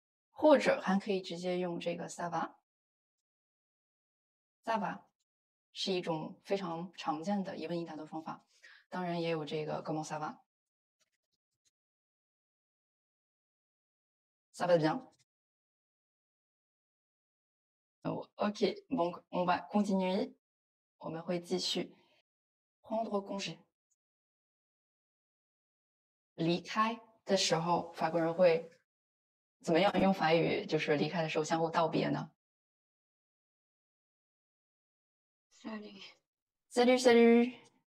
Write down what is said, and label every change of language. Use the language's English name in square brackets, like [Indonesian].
[Chinese] 或者还可以直接用这个 [French] ça va。 [Chinese] 萨瓦是一种非常常见的一问一答的方法，当然也有这个 [French] comment ça va， ça va bien。 OK， donc on va continuer， [Chinese] 我们会继续。 [French] prendre congé， [Chinese] 离开的时候法国人会怎么样用法语，就是离开的时候相互道别呢？ [French] Salut. Salut, salut.